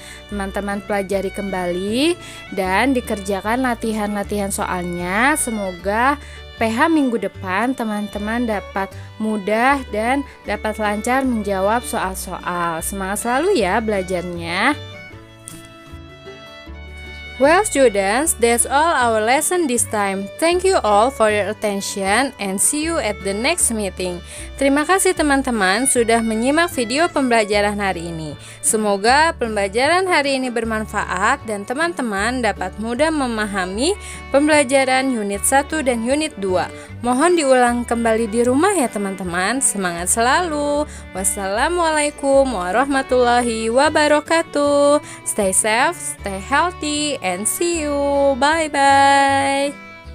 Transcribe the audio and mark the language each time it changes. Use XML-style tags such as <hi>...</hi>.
<id>Teman-teman pelajari kembali dan dikerjakan latihan-latihan soalnya. Semoga PH minggu depan teman-teman dapat mudah dan dapat lancar menjawab soal-soal. Semangat selalu ya belajarnya.</id> <en>Well students, that's all our lesson this time. Thank you all for your attention and see you at the next meeting.</en> <id>Terima kasih teman-teman sudah menyimak video pembelajaran hari ini. Semoga pembelajaran hari ini bermanfaat dan teman-teman dapat mudah memahami pembelajaran unit 1 dan unit 2. Mohon diulang kembali di rumah ya teman-teman. Semangat selalu.</id> <ar>Wassalamualaikum warahmatullahi wabarakatuh.</ar> <en>Stay safe, stay healthy, and see you. Bye-bye.</en>